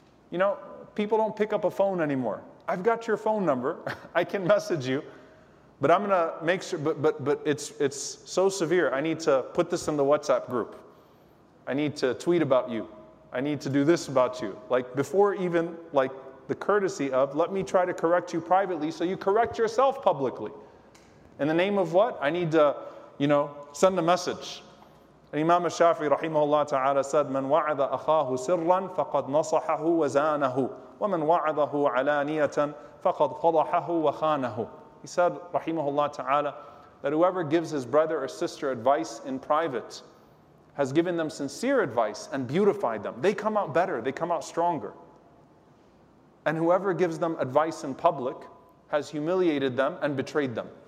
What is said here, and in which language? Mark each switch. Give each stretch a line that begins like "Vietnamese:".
English: You know, people don't pick up a phone anymore. I've got your phone number, I can message you, but I'm gonna make sure, but it's so severe, I need to put this in the WhatsApp group. I need to tweet about you. I need to do this about you. Like before even like the courtesy of, let me try to correct you privately so you correct yourself publicly. In the name of what? I need to, you know, send a message. And Imam al-Shafi'i rahimahullah ta'ala said,
Arabic: مَنْ وَعَذَ أَخَاهُ سِرًّا فَقَدْ نَصَحَهُ وَزَانَهُ وَمَنْ وَعَذَهُ عَلَانِيَةً فَقَدْ فَضَحَهُ وَخَانَهُ.
English: He said, rahimahullah ta'ala, that whoever gives his brother or sister advice in private has given them sincere advice and beautified them. They come out better, they come out stronger. And whoever gives them advice in public has humiliated them and betrayed them.